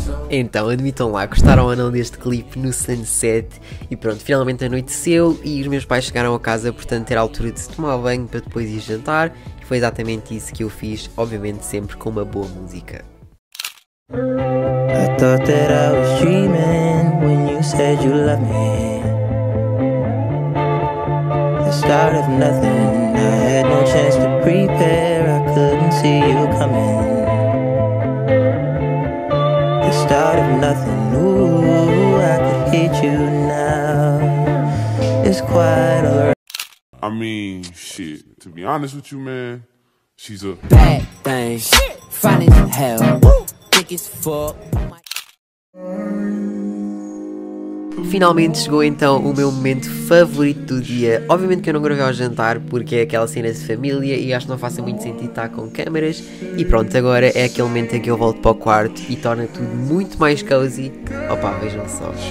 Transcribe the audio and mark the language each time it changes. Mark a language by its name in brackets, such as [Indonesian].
[Portuguese] Então, admitam lá, gostaram ou não deste clipe no sunset? E pronto, finalmente anoiteceu e os meus pais chegaram a casa, portanto era a altura de se tomar banho para depois ir jantar. E foi exatamente isso que eu fiz, obviamente sempre com uma boa música. [English] I thought that I was dreaming when you said you loved me. The start of nothing, I had no chance to prepare, I couldn't see you coming. Start of nothing new, I could hit you now. It's quite alright. I mean, shit, to be honest with you, man, she's a bad thing, fine as hell, thick as fuck. [Portuguese] Finalmente chegou então o meu momento favorito do dia. Obviamente que eu não gravei ao jantar porque é aquela cena de família e acho que não faz muito sentido estar com câmaras. E pronto, agora é aquele momento em que eu volto para o quarto e torna tudo muito mais cozy. Opa, vejam só.